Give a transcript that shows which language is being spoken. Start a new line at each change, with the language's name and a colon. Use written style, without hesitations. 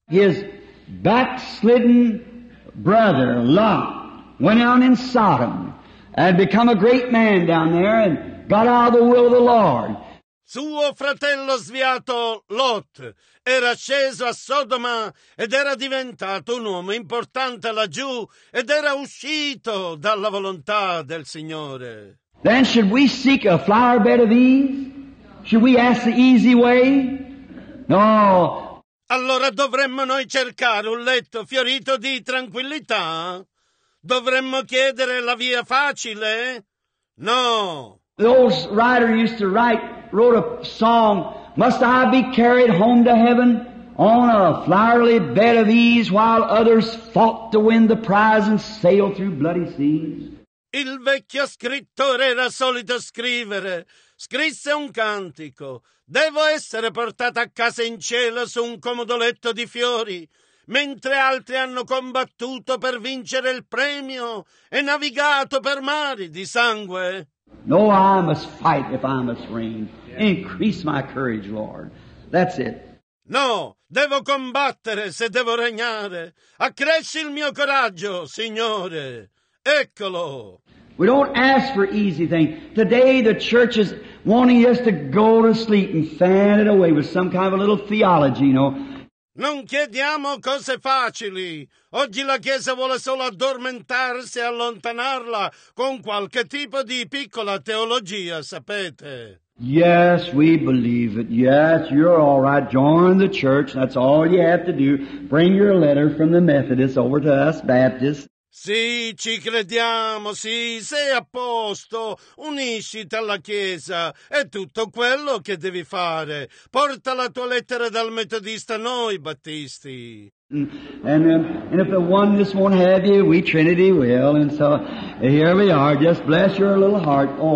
English: His backslidden brother, Lot. Went down in Sodom and become a great man down there and got out of the will of the Lord.
Italian: Suo fratello sviato Lot era sceso a Sodoma ed era diventato un uomo importante laggiù ed era uscito dalla volontà del Signore.
English: Then should we seek a flower bed of ease? Should we ask the easy way? No.
Italian: Allora dovremmo noi cercare un letto fiorito di tranquillità? Dovremmo chiedere la via facile? No.
English: The old writer used to write, wrote a song, must I be carried home to heaven on a flowery bed of ease while others fought to win the prize and sail through bloody seas?
Italian: Il vecchio scrittore era solito scrivere, scrisse un cantico, devo essere portato a casa in cielo su un comodo letto di fiori. Mentre altri hanno combattuto per vincere il premio e navigato per mari di sangue.
English: No, I must fight if I must reign. Increase my courage, Lord. That's it.
Italian: No, devo combattere se devo regnare. Accresci il mio coraggio, Signore. Eccolo!
English: We don't ask for easy things. Today the church is wanting us to go to sleep and fan it away with some kind of a little theology, you know.
Italian: Non chiediamo cose facili. Oggi la Chiesa vuole solo addormentarsi e allontanarla con qualche tipo di piccola teologia, sapete.
English: Yes, we believe it. Yes, you're all right. Join the church. That's all you have to do. Bring your letter from the Methodists over to us Baptists.
Italian: Sì, ci crediamo, sì, sei a posto, unisciti alla Chiesa, è tutto quello che devi fare. Porta la tua lettera dal Metodista a noi, Battisti.
English: And if the oneness won't have you, we Trinity will, and so here we are, just bless your little heart.